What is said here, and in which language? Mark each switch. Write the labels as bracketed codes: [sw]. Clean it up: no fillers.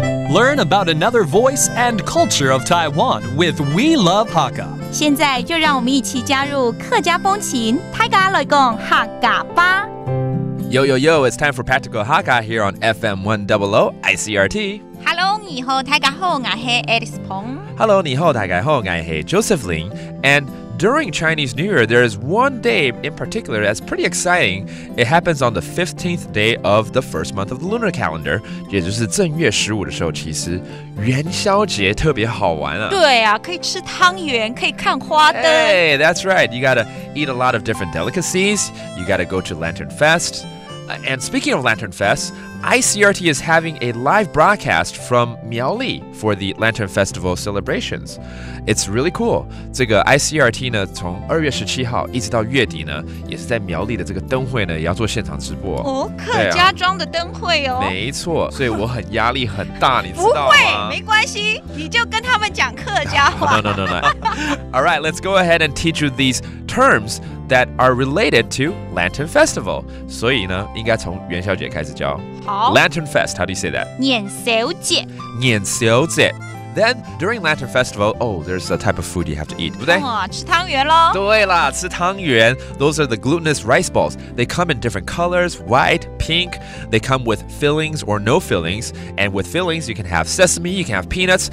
[en] Learn about another voice and culture of Taiwan with We Love Hakka. [zh] 现在就让我们一起加入客家风情，泰嘎来讲客家吧。 [en] Yo, yo, yo, it's time for Practical Hakka here on FM 100 ICRT. [zh] Hello, 你好，大家好，我是 Alice Pong. Hello, 你好，大家好，我是 Joseph Lin. [en] And during Chinese New Year, there is one day in particular that's pretty exciting. It happens on the 15th day of the first month of the lunar calendar, [zh] 也就是正月十五的时候，其实元宵节特别好玩啊。对啊，可以吃汤圆，可以看花灯。 [en] Hey, that's right. You gotta eat a lot of different delicacies. You gotta go to Lantern Fest. And speaking of Lantern Fest, ICRT is having a live broadcast from Miaoli for the Lantern Festival celebrations. It's really cool. [zh] 这个 ICRT 呢，从二月十七号一直到月底呢，也是在苗栗的这个灯会呢，也要做现场直播。哦，客家庄的灯会哦。没错，所以我很压力很大，你知道吗？不会，没关系，你就跟他们讲客家话。 [en] No. All right, let's go ahead and teach you these terms that are related to Lantern Festival. [zh] 所以呢，应该从元宵节开始教。好 [en] Lantern Fest, how do you say that? [zh] 年宵节。年宵节。 [en] Then, during Lantern Festival, oh, there's a type of food you have to eat, [zh] 对不对？吃汤圆咯。对啦，吃汤圆。 [en] Those are the glutinous rice balls. They come in different colors, white, pink. They come with fillings or no fillings. And with fillings, you can have sesame, you can have peanuts.